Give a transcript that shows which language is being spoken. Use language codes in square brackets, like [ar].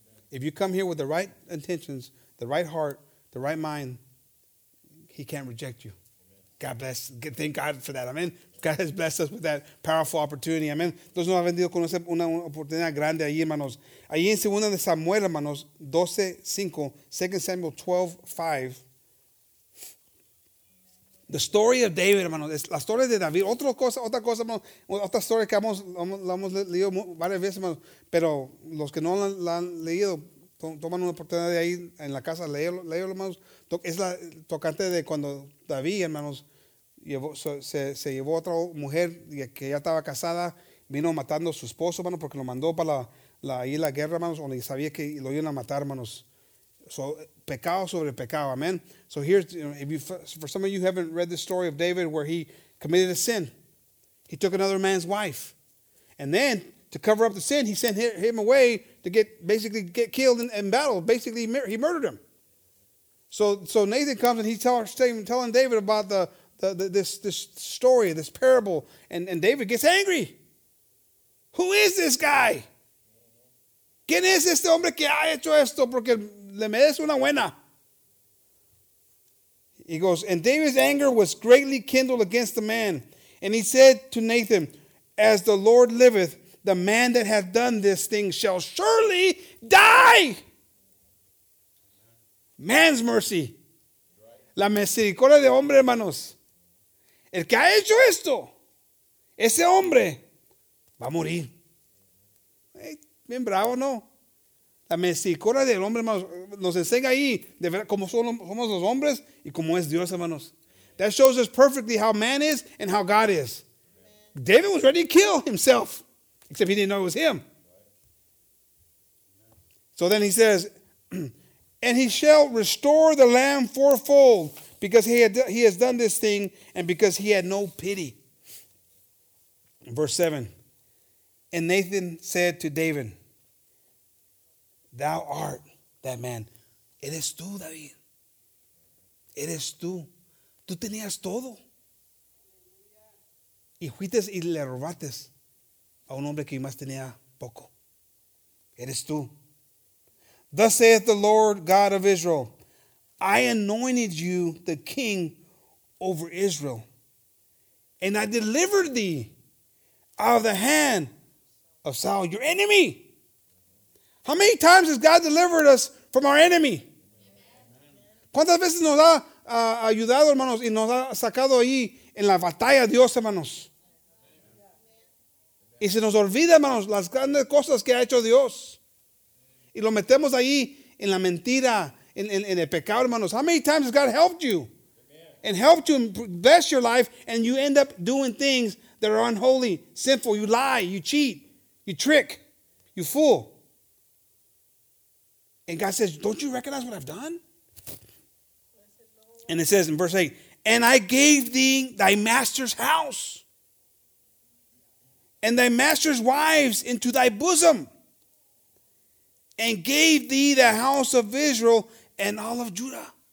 [en] If you come here with the right intentions, the right heart, the right mind, he can't reject you. Amen. God bless. Thank God for that. Amen. God has blessed us with that powerful opportunity. Amen. [es] Dios nos ha bendito con una oportunidad grande ahí, hermanos. Ahí en 2 Samuel, hermanos, 12:5, 2 Samuel 12:5, [en] The story of David, [es] hermano, es la historia de David. Otra cosa, hermano, otra historia que hemos leído varias veces, hermano, pero los que no la han leído, toman una oportunidad de ahí en la casa, leerlo, hermanos. Es la tocante de cuando David, hermanos, se llevó a otra mujer que ya estaba casada, vino matando a su esposo, hermano, porque lo mandó para la guerra, hermanos, donde sabía que lo iban a matar, hermanos. So, pecado sobre pecado, amen. [en] So here's, if you, for some of you who haven't read the story of David where he committed a sin, he took another man's wife. And then, to cover up the sin, he sent him away to get killed in battle. Basically, he murdered him. So Nathan comes and he's telling David about this story, this parable, and David gets angry. Who is this guy? [es] ¿Quién es este hombre que ha hecho esto? Porque le merece una buena. [en] He goes, and David's anger was greatly kindled against the man. And he said to Nathan, as the Lord liveth, the man that hath done this thing shall surely die. Man's mercy. [es] La misericordia de hombre, hermanos. El que ha hecho esto, ese hombre, va a morir. Hey, bien bravo, ¿no? La misericordia del hombre, hermanos, nos enseña ahí de ver cómo somos los hombres y cómo es Dios, hermanos. [en] That shows us perfectly how man is and how God is. David was ready to kill himself, except he didn't know it was him. So then he says, and he shall restore the lamb fourfold, because he has done this thing, and because he had no pity. Verse 7. And Nathan said to David, thou art that man. [es] Eres tú, David. Eres tú. Tú tenías todo. Y fuiste y le robaste a un hombre que más tenía poco. Eres tú. [en] Thus saith the Lord God of Israel, I anointed you the king over Israel, and I delivered thee out of the hand of Saul, your enemy. How many times has God delivered us from our enemy? [es] ¿Cuántas veces nos ha ayudado, hermanos, y nos ha sacado ahí en la batalla Dios, hermanos? Y se nos olvida, hermanos, las grandes cosas que ha hecho Dios. Y lo metemos ahí en la mentira, en el pecado, hermanos. [en] How many times has God helped you? And helped you bless your life, and you end up doing things that are unholy, sinful. You lie, you cheat, you trick, you fool. And God says, don't you recognize what I've done? And it says in verse 8, and I gave thee thy master's house and thy master's wives into thy bosom, and gave thee the house of Israel and all of Judah.